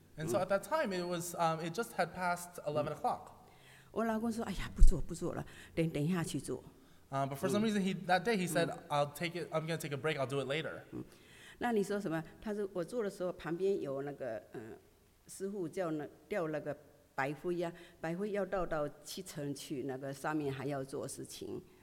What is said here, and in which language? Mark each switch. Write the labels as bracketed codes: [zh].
[en] And so at that time, it was it just had passed 11 o'clock. [zh] 我老公说：“哎呀，不做，不做了，等一下去做。” [en] But for some reason, that day he said, "I'll take it. I'm going to take a break. I'll do it later." [zh] 那你说什么？他说我做的时候，旁边有那个师傅叫那吊那个白灰呀，白灰要到七层去，那个上面还要做事情。